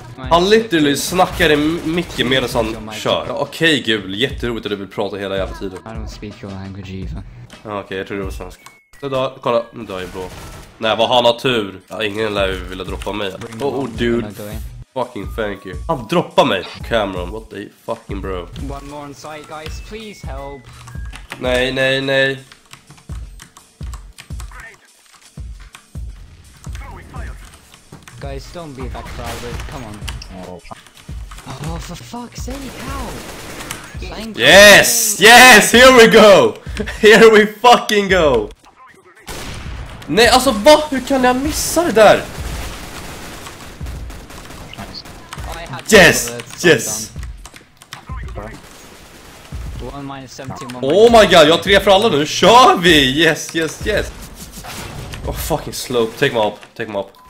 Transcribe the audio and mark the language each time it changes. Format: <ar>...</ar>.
<sv>Han literally snackar i micken medan han kör. Okej, gul, jätteroligt att du vill prata hela jävla tiden.</sv> <en>I don't speak your language either.</en> <sv>Okej, jag tror du var svensk. Kolla, nu dör jag blå. Nej, vad han har tur. Ja, ingen lär vilja droppa mig.</sv> <en>Oh dude, fucking thank you.</en> <sv>Han droppar mig.</sv> <en>Cameron, what the fucking bro. One more inside, guys, please help.</en> <sv>Nej.</sv> <en>Guys, don't be that crowded, come on. Oh, for fuck's sake, help. Yes, here we go. Here we fucking go.</en> <sv>Nej, alltså va? Hur kan jag missa det där?</sv> <en>Yes! Oh my god,</en> <sv>jag har 3 för alla nu, kör vi!</sv> <en>Yes! Oh fucking slope, take him up.</en>